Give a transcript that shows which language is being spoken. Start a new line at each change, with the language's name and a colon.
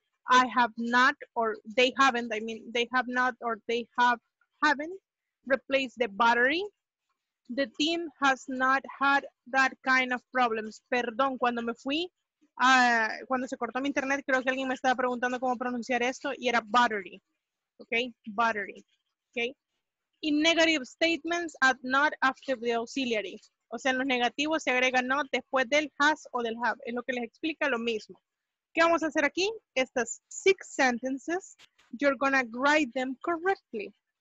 English: I have not, or they haven't, I mean, they have not, or they have haven't replaced the battery. The team has not had that kind of problems.
Spanish: Perdón, cuando me fui, cuando se cortó mi internet, creo que alguien me estaba preguntando cómo pronunciar esto, y era battery.
English: Ok, battery. Ok. In negative statements, add not after the auxiliary.
Spanish: O sea, en los negativos se agrega not después del has o del have. Es lo que les explica lo mismo. ¿Qué vamos a hacer aquí? Estas 6 sentences,
English: you're gonna write them correctly.